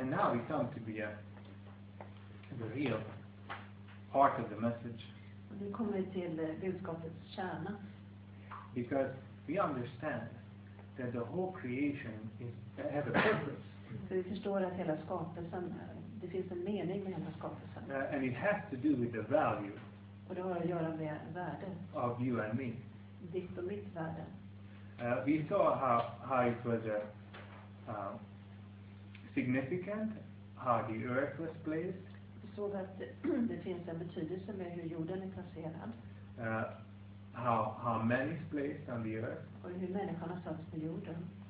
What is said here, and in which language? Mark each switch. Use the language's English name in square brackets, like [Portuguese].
[English] And now we come to be a the real part of the message. [Swedish] Vi kommer till budskapets kärna. [English] Because we understand that the whole creation has a purpose. [Swedish] För vi förstår att hela skapelsen, det finns en mening med hela skapelsen. [English] And it has to do with the value. [Swedish] Och det har att göra med värdet. [English] Of you and me. [Swedish] Ditt och mitt värde. [English] We saw how it was significant, how the earth was placed. [Swedish] Så att det finns en betydelse med hur jorden är placerad. [English] How man is placed on the earth. [Swedish] Och hur människan har satts på jorden.